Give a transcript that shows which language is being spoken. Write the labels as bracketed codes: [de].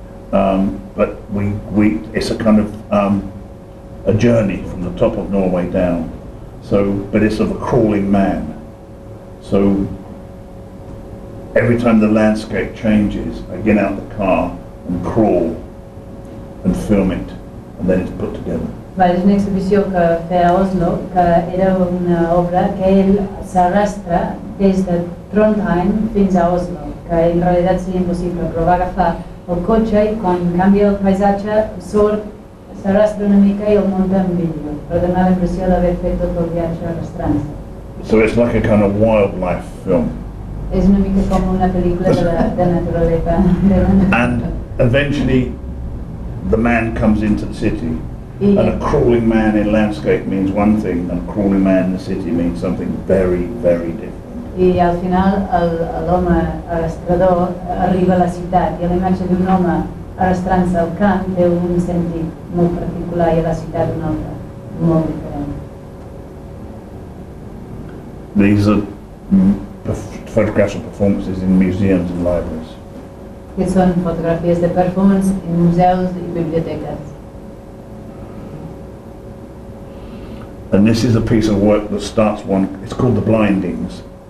[en] But we it's a kind of a journey from the top of Norway down. So, but it's of a crawling man. So every time the landscape changes, I get out the car and crawl and film it, and then it's put together. [ca] Va, és una exhibició que feia a Oslo, que era una obra que ell s'arrastra des de Trondheim fins a Oslo, que en realitat seria impossible, però va agafar el cotxe i quan canvia el paisatge surt, s'arrastra una mica i el munta en vídeo, però dona la impressió d'haver fet tot el viatge arrastrant-se. [en] So it's like a kind of wildlife film. [ca] És una mica com una pel·lícula de naturaleza. [en] And eventually the man comes into the city, and a crawling man in landscape means one thing, and a crawling man in the city means something very, very different. [ca] I al final l'home arrastrador arriba a la ciutat, i la imatge d'un home arrastrant-se al camp té un sentit molt particular, i a la ciutat un altre, molt diferent. [en] These are photographs of performances in museums and libraries. [ca] Que són fotografies de performance en museus i biblioteques. [en] And this is a piece of work that starts one, it's called The Blindings.